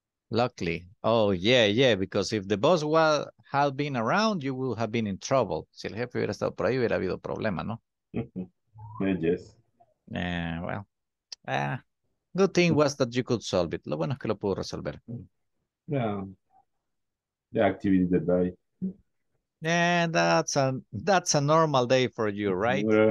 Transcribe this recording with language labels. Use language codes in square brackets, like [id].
[en] Luckily, oh yeah, because if the boss had been around, you would have been in trouble. [es] Si el jefe hubiera estado por ahí, hubiera habido problema, ¿no? [en] Yes. Good thing was that you could solve it. [es] Lo bueno es que lo pudo resolver. [en] Yeah. The activity of the day. Yeah, that's a normal day for you, right?